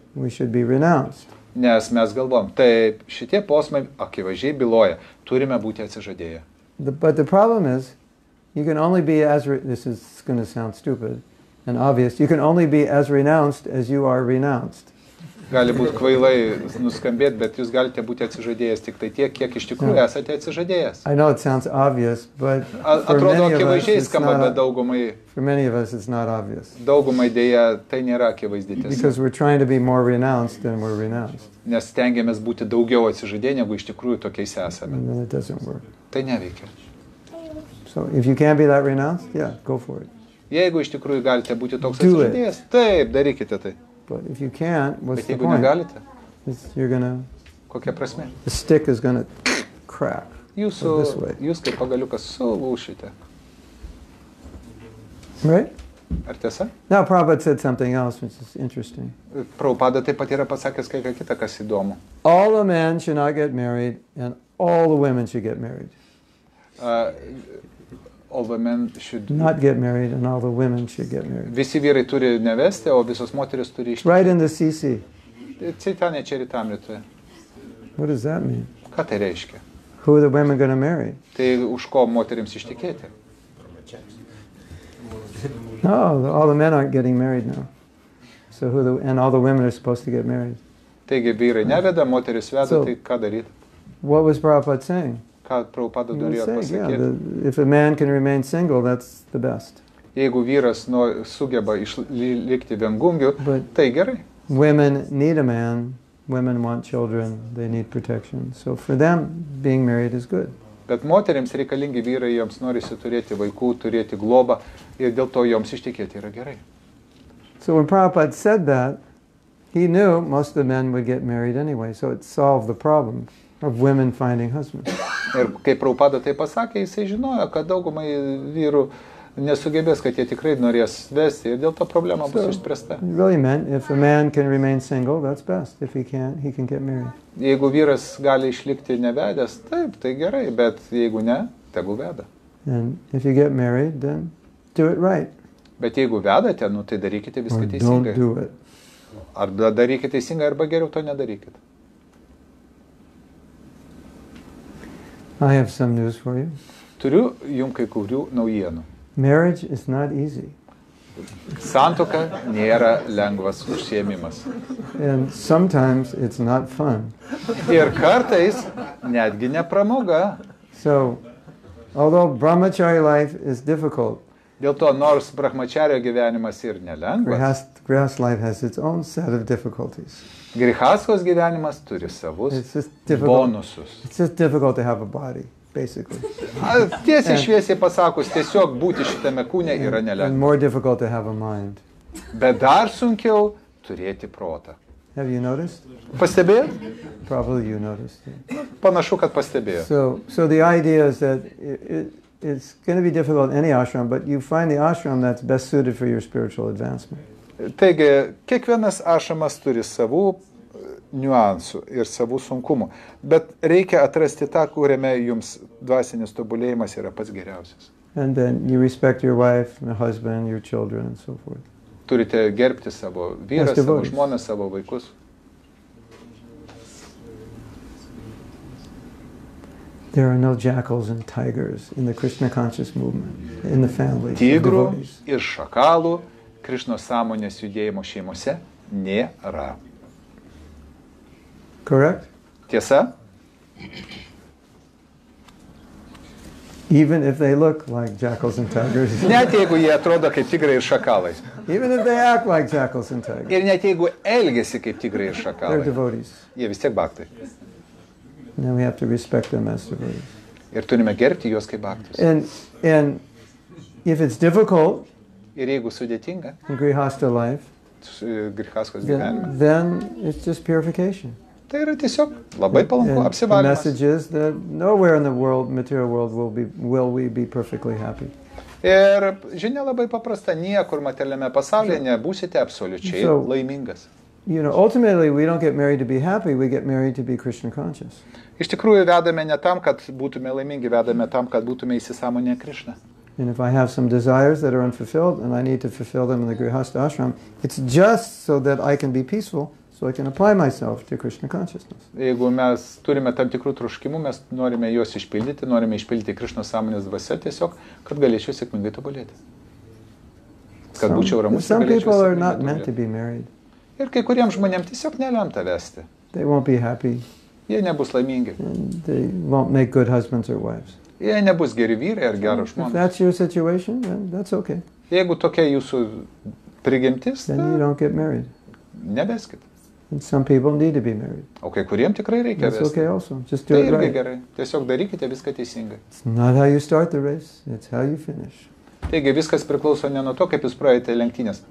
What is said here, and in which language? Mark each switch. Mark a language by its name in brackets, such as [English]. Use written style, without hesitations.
[English] we should be renounced. [Lithuanian] Nes mes galvom, taip, šitie posmai akivaizdžiai byloja, turime būti atsižadėję. [English] But the problem is, you can only be as this is going to sound stupid and obvious. You can only be as renounced as you are renounced. [Lithuanian] Gali būti kvailai nuskambėt, bet jūs galite būti atsižadėjęs tik tai tiek, kiek iš tikrųjų esate atsižadėjęs. [English] I know it sounds obvious, but for many of us it's not obvious. [Lithuanian] Daugumai deja, tai nėra akivaizdi. [English] Because we're trying to be more renounced than we're renounced. [Lithuanian] Nes stengiamės būti daugiau atsižadėję, negu iš tikrųjų tokiais esame. [English] And then it doesn't work. [Lithuanian] Tai neveikia. [English] So if you can be that renounced, yeah, go for it. [Lithuanian] Jeigu iš tikrųjų galite būti toks atsižadėjęs, taip, darykite tai. [English] But if you can't, what's [Lithuanian] bet [English] the point? [Lithuanian] Negalite, [English] you're gonna. [Lithuanian] Kokia prasme? [English] The stick is gonna crack. [Lithuanian] Jūsų, [English] this way. [Lithuanian] Jūs kaip pagaliukas sulūšite. [English] Right? [Lithuanian] Ar tiesa? [English] Now Prabhupada said something else, which is interesting. [Lithuanian] Prabhupada taip pat yra pasakęs kai ką kita, kas įdomu. [English] All the men should not get married, and all the women should get married. All the men should not get married, and all the women should get married. [Lithuanian] Visi vyrai turi nevesti, o visos moterys turi ištekėti. [English] Right in the CC. [Lithuanian] Caitanya Charitamritoje. [English] What does that mean? [Lithuanian] Ką tai reiškia? [English] Who are the women going to marry? [Lithuanian] Tai už ko moterims ištekėti? [English] No, all the men aren't getting married now. So who and all the women are supposed to get married? [Lithuanian] Taigi vyrai neveda, moterys veda, tai ką daryti? [English] What was Prabhupada saying? [Lithuanian] Ką Prabhupada norėjo pasakyti. [English] Yeah, if a man can remain single, that's the best. [Lithuanian] Jeigu vyras sugeba likti viengungiu, tai gerai. [English] Women need a man, women want children, they need protection. So for them, being married is good. [Lithuanian] Bet moterims reikalingi vyrai, joms norisi turėti vaikų, turėti globą, ir dėl to joms ištikėti yra gerai. [English] So when Prabhupada said that, he knew most of the men would get married anyway, so it solved the problem of women finding husbands. [Lithuanian] Ir kaip Prabhupada tai pasakė, jisai žinojo, kad daugumai vyrų nesugebės, kad jie tikrai norės vesti, ir dėl to problema bus išspręsta. [English] Really meant, if a man can remain single, that's best. If he can't, he can get married. [Lithuanian] Jeigu vyras gali išlikti nevedęs, taip, tai gerai, bet jeigu ne, tegu veda. [English] And if you get married, then do it right. [Lithuanian] Bet jeigu vedate, nu, tai darykite viską teisingai. [English] Don't do it. [Lithuanian] Arba darykite teisingai, arba geriau to nedarykite. [English] I have some news for you. [Lithuanian] Turiu jums kai kurių naujienų. [English] Marriage is not easy. [Lithuanian] Santuoka nėra lengvas užsiėmimas. [English] And sometimes it's not fun. [Lithuanian] Ir kartais netgi ne pramoga. [English] So, although brahmachari life is difficult. [Lithuanian] Dėl to nors brahmacharyo gyvenimas ir nelengvas. [English] Grihastha life has its own set of difficulties. [Lithuanian] Grihastos gyvenimas turi savus bonusus. [English] It's just difficult to have a body, basically. [Lithuanian] Tiesiai šviesiai pasakus, tiesiog būti šitame kūne yra nelengva. [English] And more difficult to have a mind. [Lithuanian] Bet dar sunkiau turėti protą. [English] Have you noticed? [Lithuanian] Pastebėjot? [English] Probably you noticed. [Lithuanian] Panašu, kad pastebėjot. [English] So the idea is that it's going to be difficult in any ashram, but you find the ashram that's best suited for your spiritual advancement. [Lithuanian] Taigi, kiekvienas ašamas turi savų niuansų ir savų sunkumų, bet reikia atrasti tą, kuriame jums dvasinis tobulėjimas yra pats geriausias. [English] And then you respect your wife, your husband, your children and so forth. [Lithuanian] Turite gerbti savo vyrą, savo žmoną, savo vaikus. [English] There are no jackals and tigers in the Krishna conscious movement, in the family. [Lithuanian] Tigrų ir šakalų Krishna sąmonės judėjimo šeimose nėra. [English] Correct? [Lithuanian] Tiesa? [English] Even if they look like jackals and tigers. [Lithuanian] Net jeigu jie atrodo kaip tigrai ir šakalai. [English] Even if they act like jackals and tigers. [Lithuanian] Ir net jeigu elgiasi kaip tigrai ir šakalai. [English] They're devotees. [Lithuanian] Jie vis tiek bhaktai. [English] Then we have to respect them as devotees. [Lithuanian] Ir turime gerbti juos kaip bhaktus. [English] And if it's difficult, [Lithuanian] ir jeigu sudėtinga, [English] grihastha life, [Lithuanian] grihastos gyvenime, [English] then it's just purification. [Lithuanian] Tai yra tiesiog labai palanku apsivalymas. [English] The message is that nowhere in the world, material world, will we be perfectly happy. [Lithuanian] Ir žinia labai paprasta, niekur materialiame pasaulyje nebūsite absoliučiai laimingas. [English] You know, ultimately we don't get married to be happy, we get married to be Krishna conscious. [Lithuanian] Iš tikrųjų vedame ne tam, kad būtume laimingi, vedame tam, kad būtume įsisąmonę Krishna. [English] And if I have some desires that are unfulfilled and I need to fulfill them in the Grihastha ashram, it's just so that I can be peaceful, so I can apply myself to Krishna consciousness. [Lithuanian] Jeigu mes turime tam tikrų troškimų, mes norime juos išpildyti, norime išpildyti Krishna sąmonės dvasę tiesiog, kad galėčiau sėkmingai tobulėti. Kad būčiau ramus. [English] Some people are not meant to be married. [Lithuanian] Ir kai kuriems žmonėms tiesiog nelemta vesti. [English] They won't be happy. [Lithuanian] Jie nebus laimingi. [English] And they won't make good husbands or wives. [Lithuanian] Jie nebus geri vyrai ar geros žmonės. [English] If that's your situation, then that's okay. [Lithuanian] Jeigu tokia jūsų prigimtis, [English] then you don't get married. [Lithuanian] Nebeskit. [English] And some people need to be married. [Lithuanian] O kai kuriem tikrai reikia vesti. [English] That's okay also. Just do [Lithuanian] tai [English] it right. [Lithuanian] Gerai. Tiesiog darykite viską teisingai. [English] It's not how you start the race, it's how you finish. [Lithuanian] Taigi viskas priklauso ne nuo to, kaip jūs praėjote lenktynės.